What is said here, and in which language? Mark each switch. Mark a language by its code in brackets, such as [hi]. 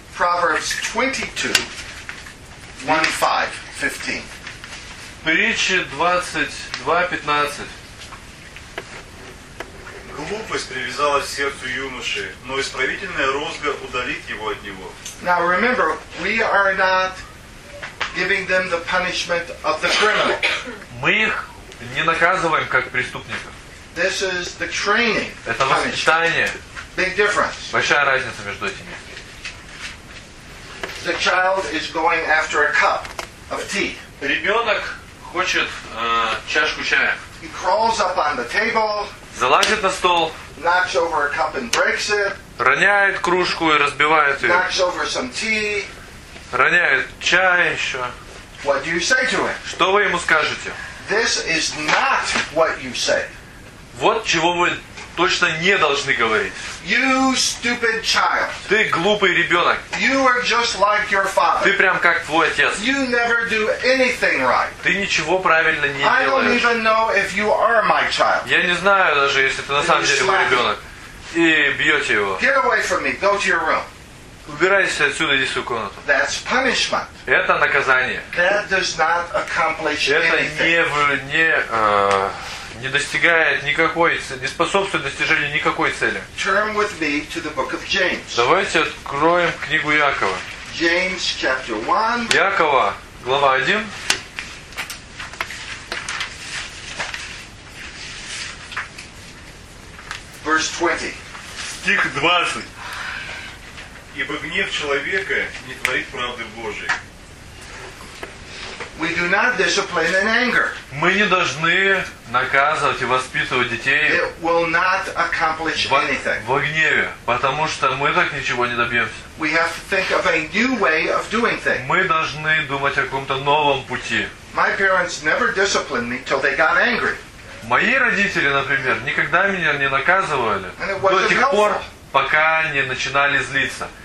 [en] Proverbs 22:15. [ru] Притча 22:15. Глупость привязалась к сердцу юноши, но исправительная розга удалит его от него. [en] Now remember, we are not giving them the punishment of the criminal. [ru] Мы их не наказываем как преступников. [en] This is the training. [ru] Это воспитание. [en] Big difference. [ru] Большая разница между этими. [en] The child is going after a cup of tea. [ru] Ребенок хочет чашку чая. [en] He crawls up on the table. [ru] Залазит на стол. [en] Knocks over a cup and breaks it. [ru] Роняет кружку и разбивает ее. [en] Knocks over some tea. [ru] Роняет чай еще. [en] What do you say to him? [ru] Что вы ему скажете? [en] This is not what you say. [ru] Вот чего вы точно не должны говорить. [en] You stupid child. [ru] Ты глупый ребенок. [en] You are just like your father. [ru] Ты прям как твой отец. [en] You never do anything right. [ru] Ты ничего правильно не делаешь. [en] I don't even know if you are my child. [ru] Я не знаю даже, если ты на самом деле мой ребенок. И бьете его. [en] Get away from me. Go to your room. [ru] Убирайся отсюда, иди в свою комнату. [en] That's punishment. [ru] Это наказание. [en] That does not accomplish anything. [ru] Это не достигает никакой цели, не способствует достижению никакой цели. [en] Turn with me to the book of James. [ru] Давайте откроем книгу Якова. [en] James chapter 1. [ru] Якова, глава 1. [en] Verse 20. [ru] Стих 20. Ибо гнев человека не творит правды Божией. [en] We do not discipline in anger. [ru] Мы не должны наказывать и воспитывать детей. [en] It will not accomplish anything. [ru] Во гневе, потому что мы так ничего не добьемся. [en] We have to think of a new way of doing things. [ru] Мы должны думать о каком-то новом пути. [en] My parents never disciplined me till they got angry. [ru] Мои родители, например, никогда меня не наказывали до тех пор, пока не начинали злиться.